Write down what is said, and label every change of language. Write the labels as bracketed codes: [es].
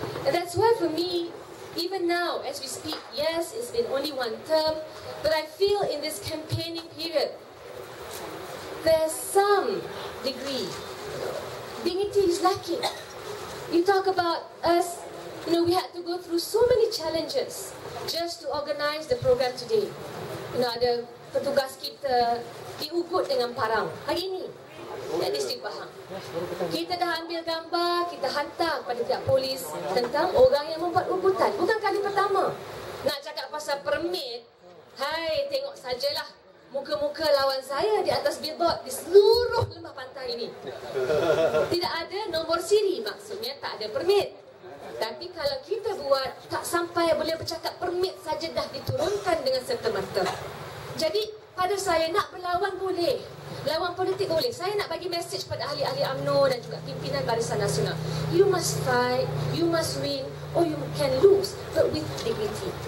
[en] And that's why for me, even now as we speak, yes, it's been only one term, but I feel in this campaigning period, there's some degree, dignity is lacking. You talk about us You know, we had to go through so many challenges just to organize the program today. You know, [ms] ada petugas kita di Ubud dengan Parang hari ini. Dan di Sri Pahang. Kita dah ambil gambar, kita hantar kepada pihak polis tentang orang yang membuat ubutan. Bukan kali pertama. Nak cakap pasal permit, hai, tengok sajalah muka-muka lawan saya di atas billboard di seluruh lembah pantai ini. Tidak ada nombor siri, maksudnya tak ada permit. Tapi kalau kita buat, tak sampai boleh bercakap permit saja dah diturunkan dengan serta-merta. Jadi pada saya, nak berlawan boleh, lawan politik boleh. Saya nak bagi mesej pada ahli-ahli UMNO dan juga pimpinan Barisan Nasional. [en] You must fight, you must win, or you can lose, but with dignity.